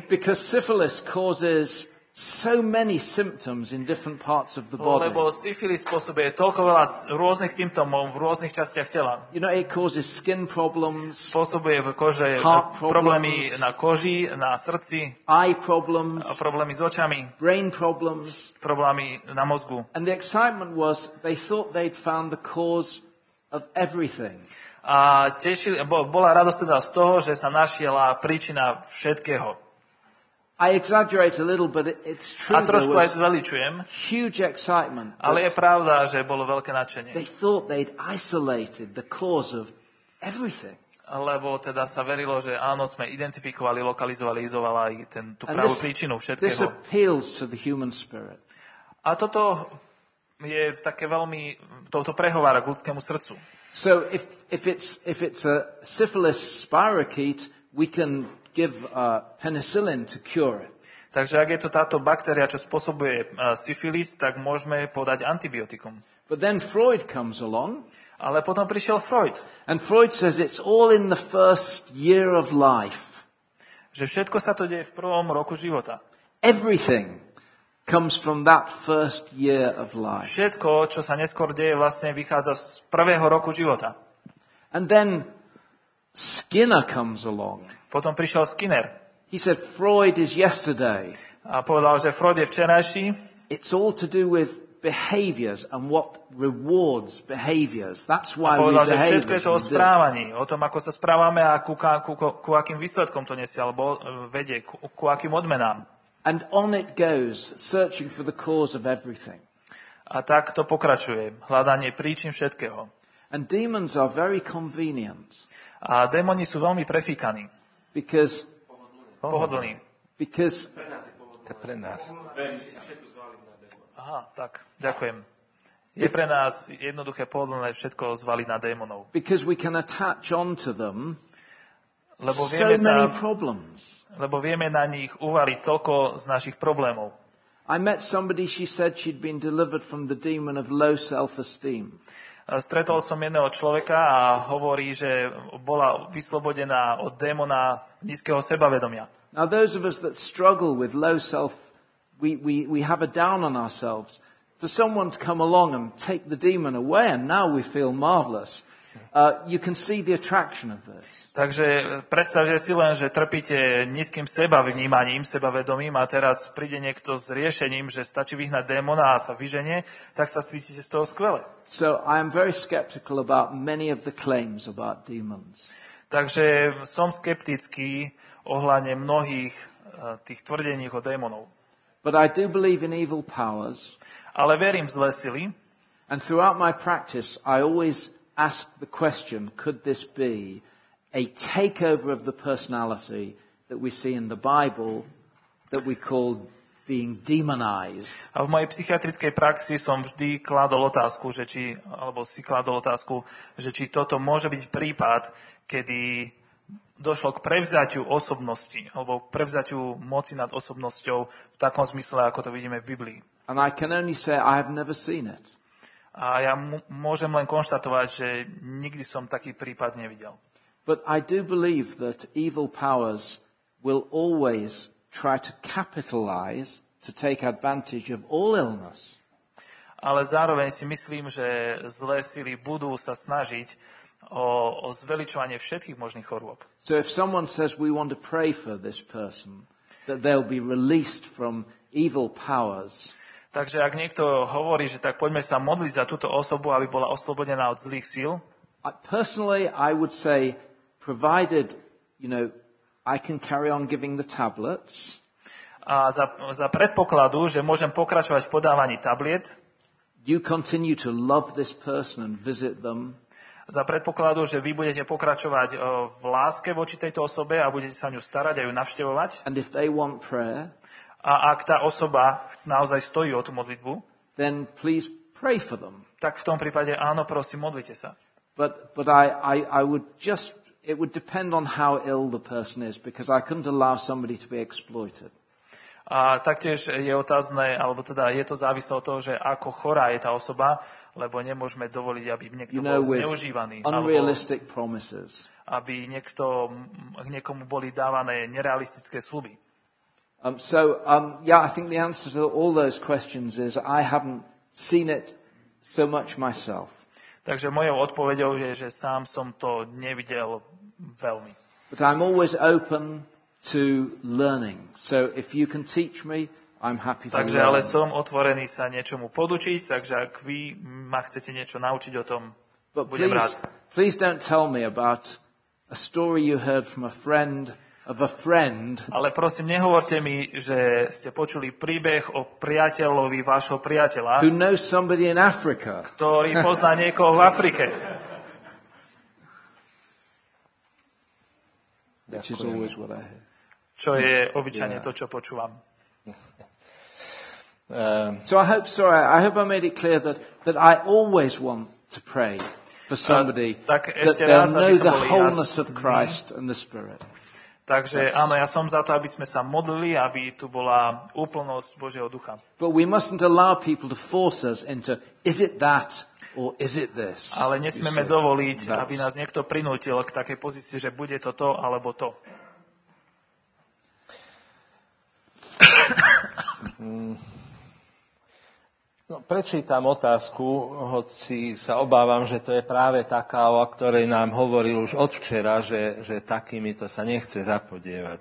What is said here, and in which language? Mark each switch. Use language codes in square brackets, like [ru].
[en] Because syphilis causes so many symptoms in different parts of the body. [sk] Lebo syphilis spôsobuje toľko veľa rôznych symptómov v rôznych častiach tela. [en] You know, it causes skin problems. [sk] Spôsobuje v kože problémy na koži, na srdci. [en] Eye problems. [sk] Problémy s očami. [en] Brain problems. [sk] Problémy na mozgu. [en] And the excitement was they thought they'd found the cause of everything. [sk] A bola radosť teda z toho, že sa našla príčina všetkého. [en] I exaggerate a little, but it's true. [sk] A trošku aj zveličujem. [en] Huge excitement. [sk] Ale je pravda, že bolo veľké nadšenie. [en] They thought they'd isolated the cause of everything. [sk] Lebo teda sa verilo, že áno, sme identifikovali, lokalizovali, izolovali aj tú pravú príčinu všetkého. [en] This appeals to the human spirit. [sk] A toto je také veľmi, toto prehovára k ľudskému srdcu. [en] So if it's a syphilis spirochete, we can give penicillin to cure it. [sk] Takže ak je to táto baktéria, čo spôsobuje syfilis, tak môžeme podať antibiotikum. [en] But then Freud comes along. [sk] Ale potom prišiel Freud. [en] And Freud says it's all in the first year of life. [sk] Že všetko sa to deje v prvom roku života. [en] Everything comes from that first year of life. [sk] Všetko, čo sa neskôr deje, vlastne vychádza z prvého roku života. [en] And then Skinner comes along. [sk] Potom prišiel Skinner. [en] He said Freud is yesterday. [sk] A povedal, že Freud je včerajší. [en] It's all to do with behaviors and what rewards behaviors. That's why we behave. [sk] Povedal, že všetko je to o správaní, o tom, ako sa správame a ku akým výsledkom to nesie, alebo vedie, ku akým odmenám. [en] And on it goes, searching for the cause of everything. [sk] A tak to pokračuje, hľadanie príčin všetkého. [en] And demons are very convenient. [sk] A démoni sú veľmi prefíkaní. [en] Because [sk] pohodlní. [en] Because [sk] pre nás. Aha, tak, ďakujem. Je pre nás jednoduché pohodlné všetko zvaliť na démonov. [en] Because we can attach onto them. [sk] Lebo [en] so [sk] vieme [en] many problems. [sk] Lebo vieme na nich uvaliť toľko z našich problémov. [en] I met somebody, she said she'd been delivered from the demon of low self-esteem. [sk] Stretol som jedného človeka a hovorí, že bola vyslobodená od démona nízkeho sebavedomia. [en] Now those of us that struggle with low self, we have a down on ourselves. For someone to come along and take the demon away and now we feel marvelous. You can see the attraction of this. [sk] Takže predstavte si len, že trpíte nízkym sebavnímaním, sebavedomím a teraz príde niekto s riešením, že stačí vyhnať démona a sa vyženie, tak sa cítite z toho skvele. [en] So I am very skeptical about many of the claims about demons. [sk] Takže som skeptický ohľadne mnohých tých tvrdení o démonov. [en] But I do believe in evil powers. [sk] Ale verím v zlé sily. [en] And throughout my practice I always ask the question, could this be a takeover of the personality that we see in the Bible that we call being demonized. [sk] A v mojej psychiatrickej praxi som vždy kladol otázku, že či, alebo si kladol otázku, že či toto môže byť prípad, kedy došlo k prevzatiu osobnosti alebo k prevzatiu moci nad osobnosťou v takom zmysle, ako to vidíme v Biblii. [en] And I can only say I have never seen it. [sk] A ja môžem len konštatovať, že nikdy som taký prípad nevidel. [en] But I do believe that evil powers will always try to capitalize to take advantage of all illness. [sk] Ale zároveň si myslím, že zlé sily budú sa snažiť o zveličovanie všetkých možných chorôb. [en] So if someone says we want to pray for this person that they'll be released from evil powers. [sk] Takže ak niekto hovorí, že tak poďme sa modliť za túto osobu, aby bola oslobodená od zlých síl. [en] Personally I would say provided, you know, I can carry on giving the tablets. [sk] A za predpokladu, že môžem pokračovať v podávaní tablet. [en] You continue to love this person and visit them. [sk] Za predpokladu, že vy budete pokračovať v láske voči tejto osobe a budete sa o ňu starať a ju navštevovať. [en] And if they want prayer. [sk] A ak tá osoba naozaj stojí o tú modlitbu. [en] Then please pray for them. [sk] Tak v tom prípade áno, prosím, modlite sa. [en] But I would just it would depend on how ill the person is because I couldn't allow somebody to be exploited. [sk] A taktiež je otázne, alebo teda je to závislo od toho, že ako chorá je tá osoba, lebo nemôžeme dovoliť, aby niekto [en] you know, [sk] bol zneužívaný. [en] Unrealistic promises. [sk] Aby niekto, niekomu boli dávané nerealistické sluby. [en] I think the answer to all those questions is I haven't seen it so much myself. [sk] Takže mojou odpoveďou je, že sám som to nevidel veľmi. [en] But I'm always open to learning. So if you can teach me, I'm happy to [sk] takže, Takže ale som otvorený sa niečomu podučiť, takže ak vy ma chcete niečo naučiť o tom, [en] but [sk] budem [en] please, [sk] rád. [en] Please don't tell me about a story you heard from a friend of a friend. [sk] Ale prosím, nehovorte mi, že ste počuli príbeh o priateľovi vášho priateľa. [en] Who knows somebody in Africa? [sk] Ktorý pozná niekoho v Afrike. [en] Which is always what I hear. [sk] Čo je obyčajne to, čo počúvam. [en] So I hope I made it clear that I always want to pray for somebody [sk] tak ešte [en] that [sk] raz, [en] they'll know the wholeness of Christ and the Spirit. [sk] Takže áno, ja som za to, aby sme sa modlili, aby tu bola úplnosť Božieho ducha. [en] But we mustn't allow people to force us into is it that or is it this. [sk] Ale nesmieme dovoliť, aby nás niekto prinútil k takej pozícii, že bude to alebo to. No, prečítam otázku, hoci sa obávam, že to je práve taká, o ktorej nám hovoril už od včera, že takými to sa nechce zapodievať.